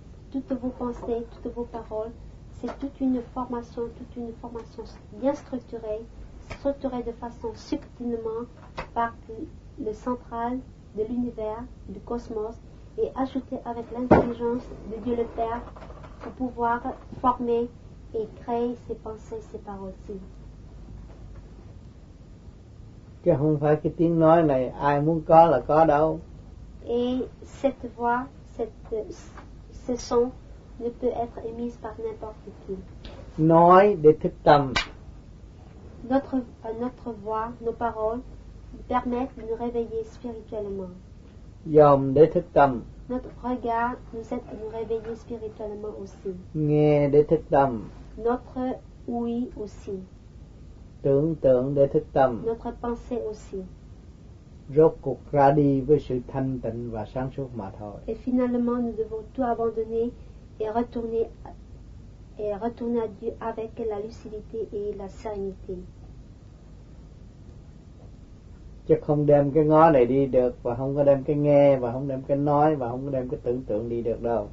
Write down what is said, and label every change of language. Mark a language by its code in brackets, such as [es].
[fr] Toutes vos pensées, toutes vos paroles, c'est toute une formation bien structurée, structurée de façon subtilement par le central de l'univers, du cosmos, et ajouter avec l'intelligence de Dieu le Père pour pouvoir former et créer ses pensées, ses paroles. [vi] Chứ không phải cái tiếng nói này ai muốn có là có đâu. [fr] Et cette voix, ce son ne peut être émise par n'importe qui. [vi] Nói để thức tâm. [fr] Notre voix, nos paroles permettre de nous réveiller spirituellement. [vi] Dòm để thức tâm. [fr] Notre regard nous aide à nous réveiller spirituellement aussi. [vi] Nghe để thức tâm. [fr] Notre ouïe aussi. [vi] Tưởng tượng để thức tâm. [fr] Notre pensée aussi. [vi] Rốt cuộc ra đi với sự thanh tịnh và sáng suốt mà thôi. [fr] Et finalement, nous devons tout abandonner et retourner à Dieu avec la lucidité et la sérénité. [vi] Chứ không đem cái ngó này đi được và không có đem cái nghe và không đem cái nói và không có đem cái tưởng tượng đi được đâu.